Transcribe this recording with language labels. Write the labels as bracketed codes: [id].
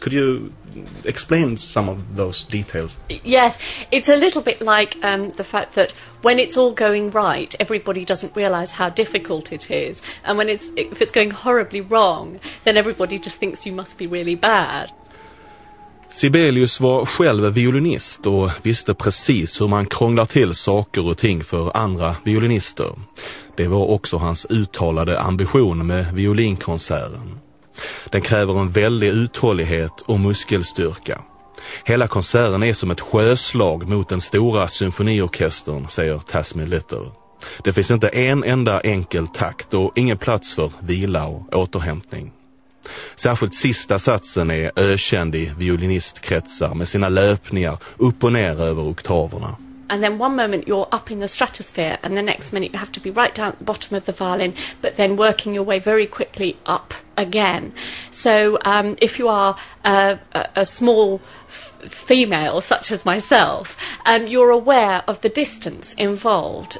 [en] Could you explain some of those details? Yes, it's a little bit like the fact that when it's all going right, everybody doesn't realise how difficult it is. And when if it's going horribly wrong, then everybody just thinks you must be really bad. [sv] Sibelius var själv violinist och visste precis hur man krånglar till saker och ting för andra violinister. Det var också hans uttalade ambition med violinkonserten. Den kräver en väldig uthållighet och muskelstyrka. Hela konserten är som ett sjöslag mot den stora symfoniorkestern, säger Tasmin Little. Det finns inte en enda enkel takt och ingen plats för vila och återhämtning. Särskilt sista satsen är ökänd i violinistkretsar med sina löpningar upp och ner över oktaverna. [en] And then one moment you're up in the stratosphere, and the next minute you have to be right down at the bottom of the violin, but then working your way very quickly up again. So if you are a small female such as myself, you're aware of the distance involved.